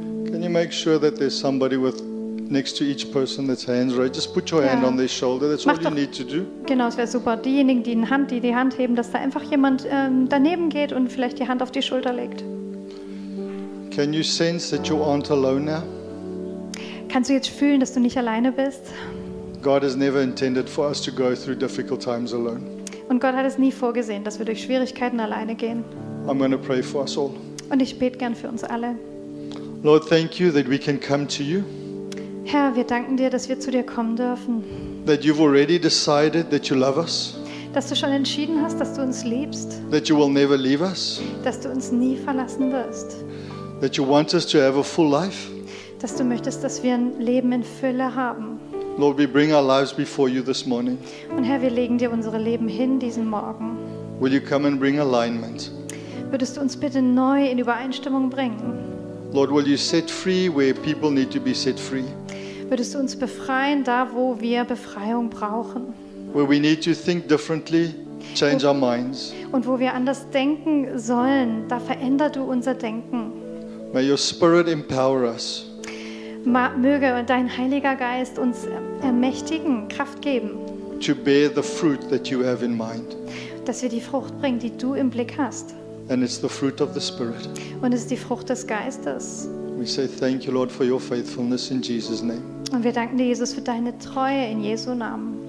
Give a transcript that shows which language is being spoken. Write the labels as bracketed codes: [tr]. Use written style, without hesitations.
[en] Can you make sure that there's somebody with next to each person that's hands raised, just put your hand on their shoulder. That's all you need to do. [de] Genau, es wäre super. Diejenigen, die die Hand heben, dass da einfach jemand daneben geht und vielleicht die Hand auf die Schulter legt. [en] Can you sense that you aren't alone now? [de] Kannst du jetzt fühlen, dass du nicht alleine bist? [en] God has never intended for us to go through difficult times alone. [de] Und Gott hat es nie vorgesehen, dass wir durch Schwierigkeiten alleine gehen. [en] I'm going to pray for us all. [de] Und ich bete gern für uns alle. [en] Lord, thank you that we can come to you. [de] Herr, wir danken dir, dass wir zu dir kommen dürfen. [en] That you've already decided that you love us. [de] Dass du schon entschieden hast, dass du uns liebst. [en] That you will never leave us. [de] Dass du uns nie verlassen wirst. [en] That you want us to have a full life. [de] Dass du möchtest, dass wir ein Leben in Fülle haben. [en] Lord, we bring our lives before you this morning. [de] Und Herr, wir legen dir unsere Leben hin diesen Morgen. [en] Will you come and bring alignment? [de] Würdest du uns bitte neu in Übereinstimmung bringen? [en] Lord, will you set free where people need to be set free? [de] Würdest du uns befreien, da wo wir Befreiung brauchen? [en] Where we need to think differently, change our minds. [de] Und wo wir anders denken sollen, da veränder du unser Denken. [en] May your spirit empower us. [de] Möge dein Heiliger Geist uns ermächtigen, Kraft geben. [en] To bear the fruit that you have in mind. [de] Dass wir die Frucht bringen, die du im Blick hast. [en] And it's the fruit of the Spirit. [de] Und es ist die Frucht des Geistes. [en] We say thank you, Lord, for your faithfulness in Jesus' name. [de] Und wir danken dir, Jesus, für deine Treue in Jesu Namen.